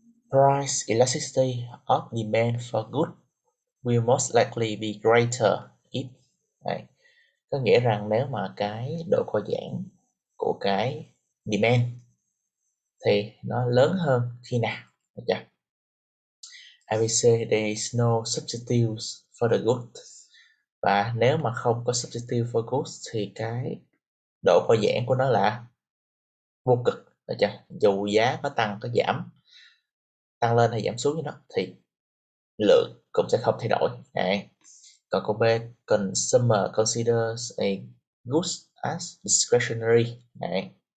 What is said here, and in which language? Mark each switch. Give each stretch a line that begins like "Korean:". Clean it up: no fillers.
English: Price elasticity of demand for good will most likely be greater if. Đấy.
Vietnamese: Có nghĩa rằng nếu mà cái độ co giãn của cái demand thì nó lớn hơn khi nào? Được chưa?
English: I will say there is no substitute for the good.
Vietnamese: Và nếu mà không có
English: substitute for good
Vietnamese: thì cái độ co giãn của nó là vô cực. Được chưa? Dù giá có tăng có giảm, tăng lên hay giảm xuống như nó thì lượng cũng sẽ không thay đổi. Đấy. Còn câu B,
English: consumer considers a goods as discretionary. Đấy.